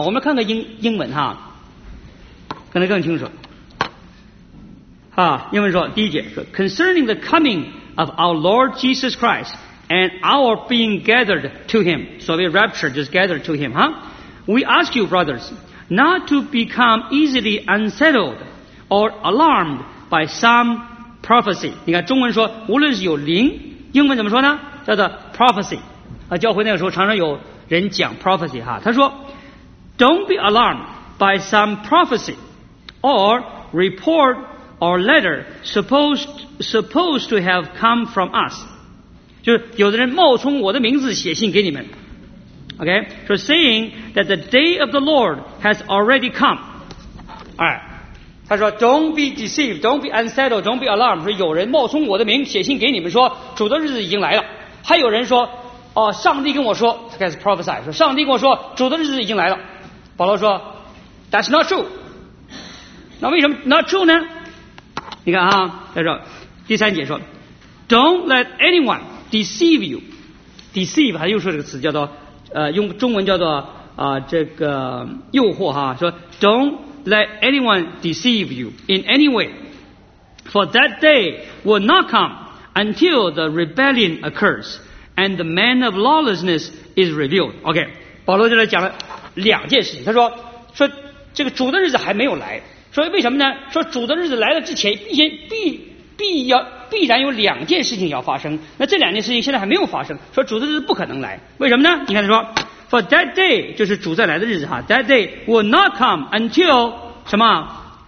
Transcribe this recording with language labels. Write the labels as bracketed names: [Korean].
[Chinese] 我们看看英文哈，可能更清楚啊。英文说第一节说 [English] concerning the coming。 Of our Lord Jesus Christ and our being gathered to Him, [Chinese] 所谓 [English] rapture [Chinese] 就是 [English] gathered to Him, huh? We ask you, brothers, not to become easily unsettled or alarmed by some prophecy. [Chinese] 你看中文说，无论是有灵，英文怎么说呢？叫做 prophecy。啊，教会那个时候常常有人讲 prophecy 哈。他说 [English] ，Don't be alarmed by some prophecy or report. Or letter supposed to have come from us, [Chinese] 就是有的人冒充我的名字写信给你们 [English] ，OK? So saying that the day of the Lord has already come. [Chinese] 哎，他说 [English] ，Don't be deceived, don't be unsettled, don't be alarmed. [Chinese] 说有人冒充我的名写信给你们说主的日子已经来了，还有人说，哦，上帝跟我说，他开始 prophesy 说上帝跟我说主的日子已经来了。保罗说 ， [English] That's not true. [Chinese] 那为什么 [English] not true [Chinese] 呢？你看啊，他说第三节说 [English] Don't let anyone deceive you. [Chinese] Deceive 他又说这个词叫做用中文叫做这个诱惑哈，说 [English] Don't let anyone deceive you in any way. For that day will not come until the rebellion occurs and the man of lawlessness is revealed. [Chinese] OK, 保罗就来讲了两件事情。他说这个主的日子还没有来，所以为什么呢？说主的日子来了之前必然有两件事情要发生，那这两件事情现在还没有发生，说主的日子不可能来，为什么呢？你看他说 [English] For that day [Chinese] 就是主再来的日子哈 [English] That day will not come until [Chinese] 什么？